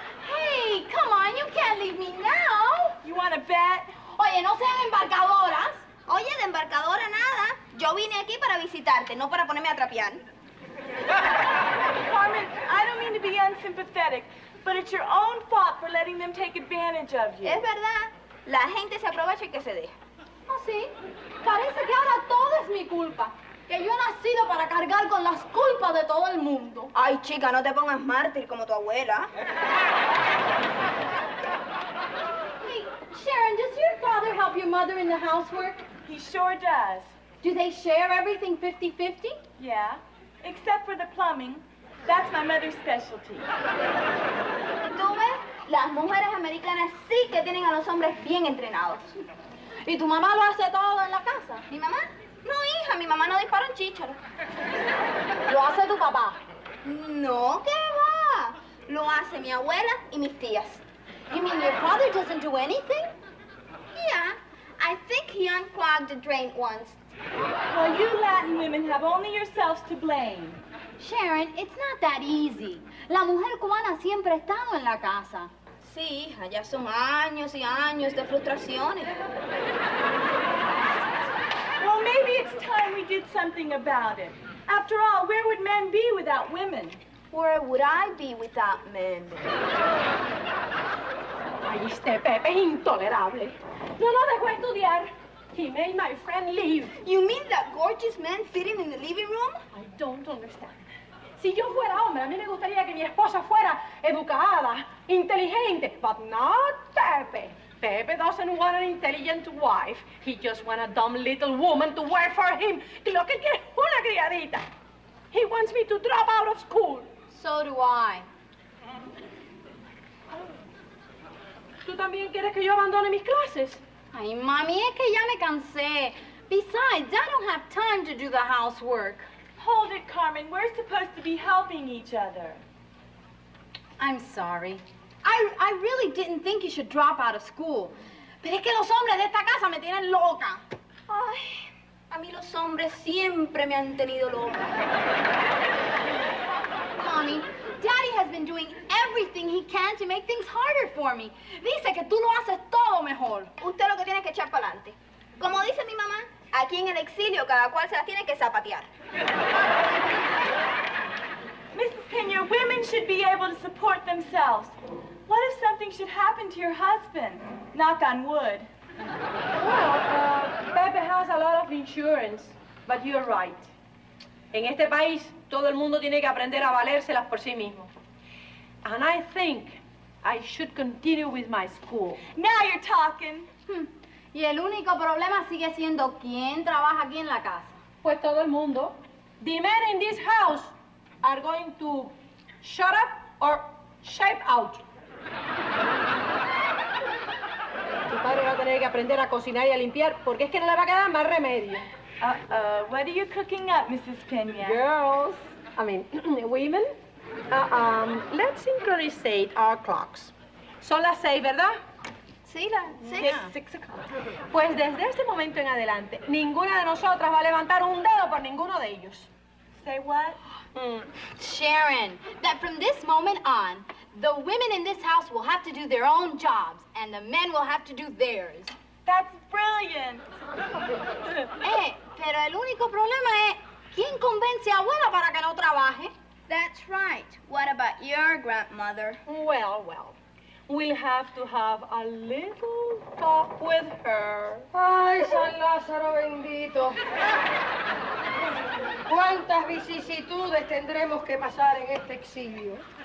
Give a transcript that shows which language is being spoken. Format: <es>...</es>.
<en>Hey, come on. You can't leave me now. You want to bet?</en> <es>Oye, no sean embarcadoras. Oye, de embarcadora nada. Yo vine aquí para visitarte, no para ponerme a trapear.</es> <en>Carmen, I don't mean to be unsympathetic, but it's your own fault for letting them take advantage of you.</en> <es>Es verdad. La gente se aprovecha y que se deja. Oh, sí. Parece que ahora todo es mi culpa. Que yo he nacido para cargar con las culpas de todo el mundo. Ay, chica, no te pongas mártir como tu abuela.</es> <en>Sharon, does your father help your mother in the housework? He sure does. Do they share everything 50-50? Yeah, except for the plumbing. That's my mother's specialty.</en> <es>¿Tú ves? Las mujeres americanas sí que tienen a los hombres bien entrenados. ¿Y tu mamá lo hace todo en la casa? ¿Mi mamá? No, hija, mi mamá no dispara un chícharo. ¿Lo hace tu papá? No, ¿qué va? Lo hace mi abuela y mis tías.</es> <en>You mean your father doesn't do anything? Yeah, I think he unclogged a drain once. Well, you Latin women have only yourselves to blame. Sharon, it's not that easy.</en> <es>La mujer cubana siempre ha estado en la casa. Sí, hija, ya son años y años de frustraciones.</es> <en>Well, maybe it's time we did something about it. After all, where would men be without women? Where would I be without men?</en> <es>Ay, este Pepe es intolerable. No lo dejo estudiar.</es> <en>He made my friend leave. You mean that gorgeous man sitting in the living room? I don't understand.</en> <es>Si yo fuera hombre, a mí me gustaría que mi esposa fuera educada, inteligente,</es> <en>but not Pepe. Pepe doesn't want an intelligent wife. He just wants a dumb little woman to work for him.</en> <es>Lo que quiere es una criadita.</es> <en>He wants me to drop out of school. So do I.</en> <es>¿Tú también quieres que yo abandone mis clases? Ay, mami, es que ya me cansé.</es> <en>Besides, I don't have time to do the housework. Hold it, Carmen. We're supposed to be helping each other. I'm sorry. I really didn't think you should drop out of school.</en> <es>Pero es que los hombres de esta casa me tienen loca. Ay, a mí los hombres siempre me han tenido loca.</es> <en>Mommy, Daddy has been doing everything he can to make things harder for me.</en> <es>Dice que tú lo haces todo mejor. Usted lo que tiene que echar para adelante. Como dice mi mamá, aquí en el exilio cada cual se la tiene que zapatear.</es> <en>Mrs. Pena, women should be able to support themselves. What if something should happen to your husband? Knock on wood. Well, Pepe has a lot of insurance, but you're right.</en> <es>En este país, todo el mundo tiene que aprender a valérselas por sí mismo.</es> <en>And I think I should continue with my school. Now you're talking.</en> <es>Y el único problema sigue siendo quién trabaja aquí en la casa. Pues todo el mundo.</es> <en>The men in this house are going to shut up or shape out.</en> <es>Tu padre va a tener que aprender a cocinar y a limpiar porque es que no le va a quedar más remedio.</es> <en>What are you cooking up, Mrs. Pena? Girls, I mean, women. Let's synchronize our clocks.</en> <es>Son las 6, ¿verdad? Sí, las 6.</es> <en>Yeah. 6 o'clock.</en> <es>Pues desde este momento en adelante, ninguna de nosotras va a levantar un dedo por ninguno de ellos.</es> <en>Say what? Sharon, that from this moment on, the women in this house will have to do their own jobs, and the men will have to do theirs. That's brilliant.</en> <es>Pero el único problema es, ¿quién convence a abuela para que no trabaje?</es> <en>That's right. What about your grandmother? Well, well. We'll have to have a little talk with her.</en> <es>Ay, San Lázaro bendito. ¿Cuántas vicisitudes tendremos que pasar en este exilio?</es>